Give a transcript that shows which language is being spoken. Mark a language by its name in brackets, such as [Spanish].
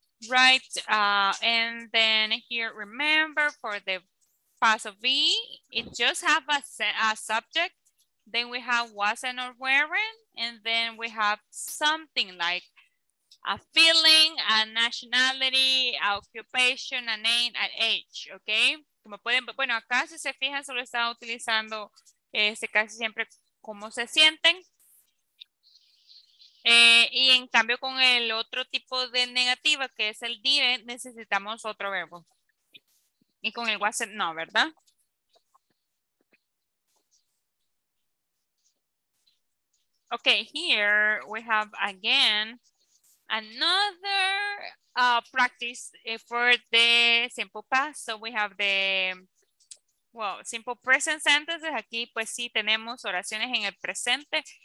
[English] Right, and then here, remember for the past of be, it just have a subject. Then we have wasn't or weren't, and then we have something like a feeling, a nationality, a occupation, a name, an age, okay? [Spanish] Como pueden, bueno, acá si se fijan, solo estaba utilizando ese casi siempre cómo se sienten. Y en cambio con el otro tipo de negativa, que es el didn't, necesitamos otro verbo. Y con el wasn't, no, ¿verdad? [English] Okay, here we have again another practice for the simple past. So we have the, well, simple present sentences. [Spanish] Aquí pues sí tenemos oraciones en el presente.